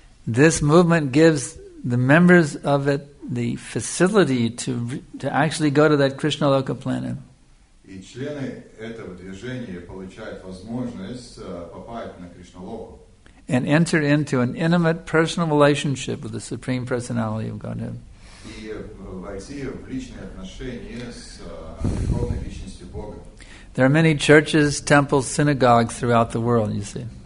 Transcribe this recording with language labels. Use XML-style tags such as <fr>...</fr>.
<en>This movement gives the members of it the facility to actually go to that Krishna Loka planet.</en> <ru>И члены этого движения получают возможность попасть на Кришна Локу.</ru> <en>And enter into an intimate personal relationship with the Supreme Personality of Godhead.</en> <ru>И войти в личные отношения с Верховной Личностью.</ru> <en>There are many churches, temples, synagogues throughout the world, you see.</en>